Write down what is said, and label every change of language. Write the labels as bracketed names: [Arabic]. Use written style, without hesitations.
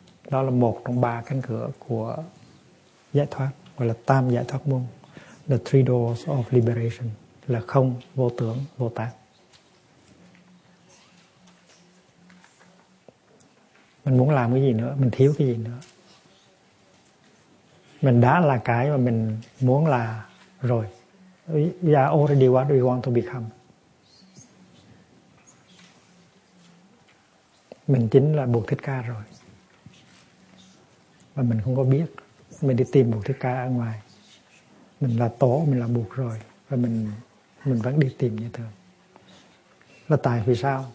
[Vietnamese] Đó là một trong ba cánh cửa của giải thoát, gọi là tam giải thoát môn, [English] the three doors of liberation, [Vietnamese] là không, vô tưởng, vô tác. Mình muốn làm cái gì nữa, mình thiếu cái gì nữa? Mình đã là cái mà mình muốn là rồi. [English] We are already what we want to become. [Vietnamese] Mình chính là Bụt Thích Ca rồi. Và mình không có biết, mình đi tìm Bụt Thích Ca ở ngoài. Mình là tổ, mình là Bụt rồi. Và mình vẫn đi tìm như thường. Là tại vì sao?